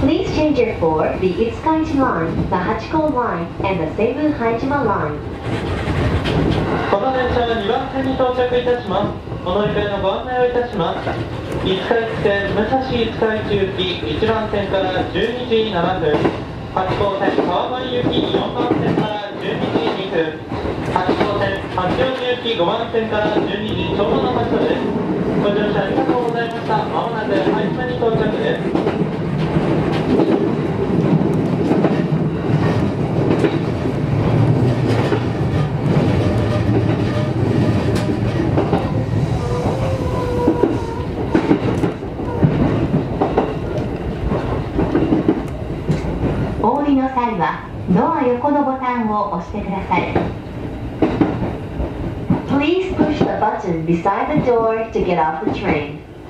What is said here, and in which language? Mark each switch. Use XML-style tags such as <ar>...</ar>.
<en>Please change it for the Itsukaichi line, the Hachiko line, and the Seibu Haijima line.</en> <ja>この電車は2番線に到着いたします。お乗り換えのご案内をいたします。 Itsukaichi 線武蔵Itsukaichi行き1番線から12時7分。 Hachiko 線川越行き4番線から12時2分。八王子行き5番線から12時ちょうどの場所です。ご乗車ありがとうございました。まもなく廃車に到着です。降りの際はドア横のボタンを押してください。</ja> <en>Please push the button beside the door to get off the train.</en>